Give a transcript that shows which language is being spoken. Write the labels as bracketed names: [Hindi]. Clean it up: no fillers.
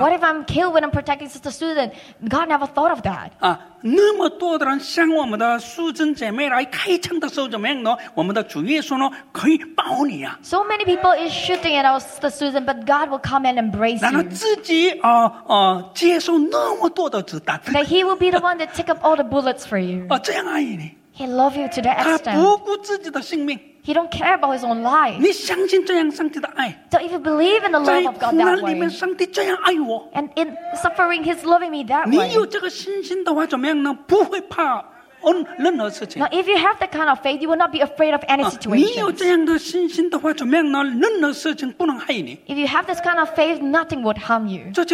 [English] What if I'm killed when I'm protecting Sister Susan? God never thought of that. [Chinese] 那么多的人向我们的素贞姐妹来开枪的时候怎么样呢？我们的主耶稣呢，可以保你啊。 [English] So many people is shooting at our Sister Susan, but God will come and embrace you. [Chinese] 然后自己接受那么多的子弹。 [English] That He will be the one that take up all the bullets for you. [Chinese] 这样爱你。 [English] He love you to the extent. [Chinese] 他不顾自己的性命。 [English] He don't care about His own life. [Chinese] 你相信这样上帝的爱。 [English] So if you believe in the love of God that way. [Chinese] 在苦难里面，上帝这样爱我。 [English] And in suffering, He's loving me that way. [Chinese] 你有这个信心的话，怎么样呢？不会怕。 [English] Now, if you have that kind of faith, you will not be afraid of any situation. [Chinese] 你有这样的信心的话，怎么样呢？任何事情不能害你。 [English] If you have this kind of faith, nothing would harm you.